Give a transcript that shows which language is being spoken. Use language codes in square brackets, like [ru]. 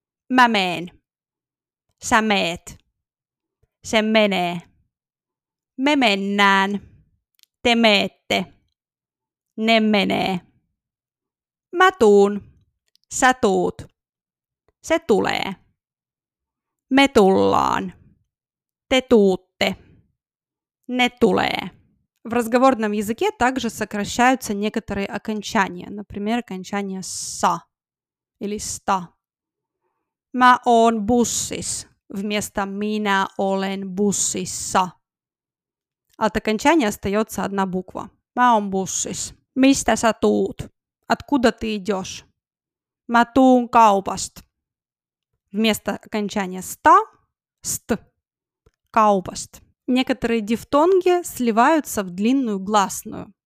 [fi] «Mä meen», «sä meet», «se menee», «me mennään», «te meette», «ne menee», «mä tuun», «sä tuut», se tulee. Me tullaan. Te tuutte. Ne tulee. [ru] В разговорном языке также сокращаются некоторые окончания. Например, окончание са или ста. [fi] Mä oon bussis вместо minä olen bussissa. [ru] От окончания остается одна буква. [fi] Mä oon bussis. Mistä sä tuut? [ru] Откуда ты идешь? [fi] Mä tuun kaupast. [ru] Вместо окончания «ста» – «ст» – «каупаст». Некоторые дифтонги сливаются в длинную гласную.